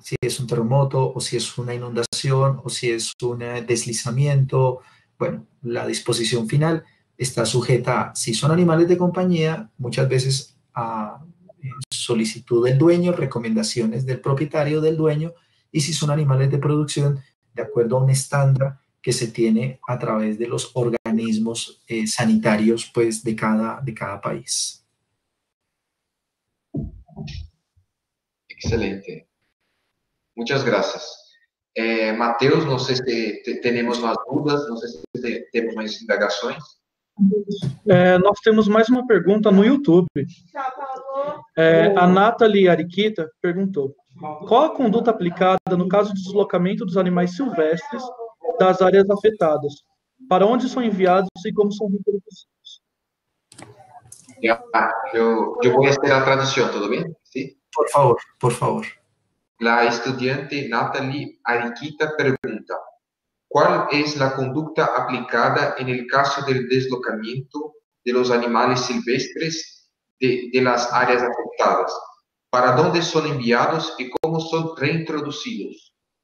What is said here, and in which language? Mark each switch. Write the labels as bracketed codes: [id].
[es] Si es un terremoto o si es una inundación o si es un deslizamiento, bueno, la disposición final está sujeta a, si son animales de compañía, muchas veces a solicitud del dueño, recomendaciones del propietario, del dueño, y si son animales de producción, de acuerdo a un estándar que se tiene a través de los organismos sanitarios, pues, de cada país. Excelente. Muchas gracias. Mateus, no sé si tenemos más dudas, no sé si tenemos más indagações. [pt] Nós temos mais uma pergunta no YouTube. A Nathalie Ariquita perguntou: qual a conduta aplicada no caso de deslocamento dos animais silvestres das áreas afetadas? Para onde são enviados e como são reproduzidos? Eu vou fazer a tradução, tudo bem? Sim? Por favor, por favor. A estudante Nathalie Ariquita pergunta: [es] ¿cuál es la conducta aplicada en el caso del deslocamiento de los animales silvestres de las áreas afectadas? ¿Para dónde son enviados y cómo son reintroducidos?